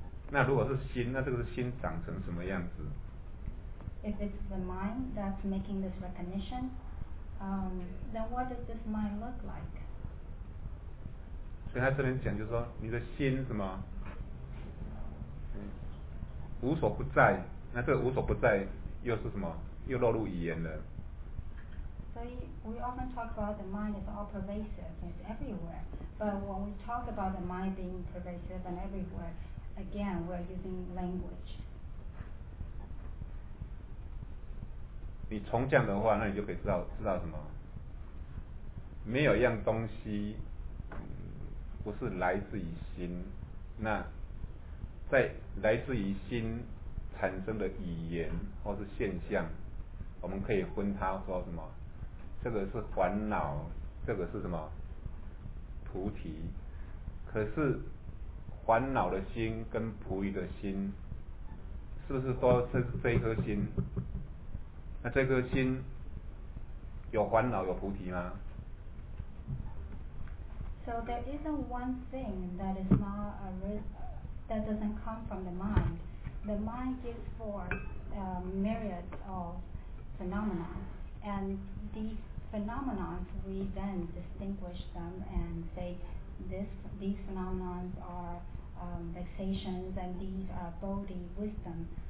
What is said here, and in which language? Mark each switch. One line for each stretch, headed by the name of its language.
Chinese: 那如果是心，那这个心长成什么样子
English: ？If it's the mind that's making this recognition, then what does this mind look like?
Chinese: 所以他这边讲，就是说你的心什么？无所不在，那这个无所不在又是什么？又落入语言了。
English: 所以 we often talk about the mind is all pervasive, it's everywhere. But when we talk about the mind being pervasive and everywhere, again we're using language.
Chinese: 你从这样的话，那你就可以知道什么？没有一样东西不是来自于心，那。在来自于心产生的语言或是现象，我们可以分它说什么？这个是烦恼，这个是什么？菩提。可是烦恼的心跟菩提的心，是不是都是这一颗心？那这颗心有烦恼有菩提吗？
English: So there isn't one thing that is not a that doesn't come from the mind. The mind gives forth myriads of phenomena, and these phenomena, we then distinguish them and say these phenomena are vexations and these are bodhi wisdom.